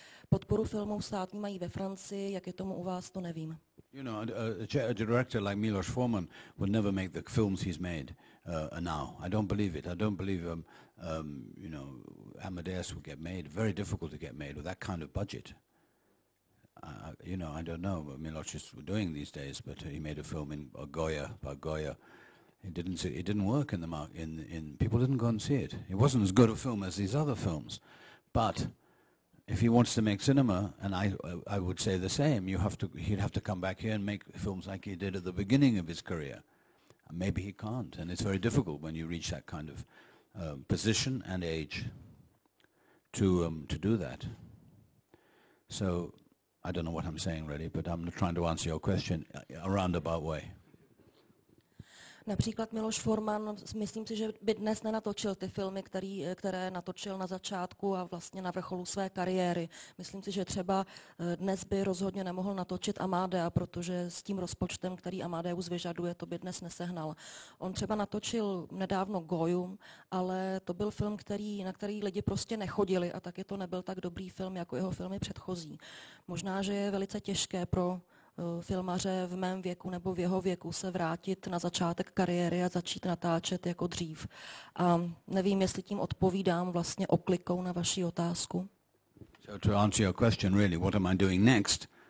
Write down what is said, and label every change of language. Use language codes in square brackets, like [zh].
[cs] Podporu filmů státní mají ve Francii, jak je tomu u vás, to nevím. [en] You know, a director like Miloš Forman would never make the films he's made now. I don't believe it. I don't believe, you know, Amadeus would get made. Very difficult to get made with that kind of budget. You know, I don't know what Miloš is doing these days, but he made a film in Goya. It didn't work in the market. In people didn't go and see it. It wasn't as good a film as these other films, but if he wants to make cinema, and I would say the same, he'd have to come back here and make films like he did at the beginning of his career. Maybe he can't, and it's very difficult when you reach that kind of position and age to do that. So I don't know what I'm saying really, but I'm trying to answer your question a roundabout way. [cs] Například Miloš Forman, myslím si, že by dnes nenatočil ty filmy, které natočil na začátku a vlastně na vrcholu své kariéry. Myslím si, že třeba dnes by rozhodně nemohl natočit Amadea, protože s tím rozpočtem, který Amadeus vyžaduje, to by dnes nesehnal. On třeba natočil nedávno Goju, ale to byl film, na který lidi prostě nechodili a taky to nebyl tak dobrý film, jako jeho filmy předchozí. Možná, že je velice těžké pro filmaře v mém věku nebo v jeho věku se vrátit na začátek kariéry a začít natáčet jako dřív. A nevím, jestli tím odpovídám vlastně oklikou na vaši otázku. [en] So to answer your question really, what am I doing next?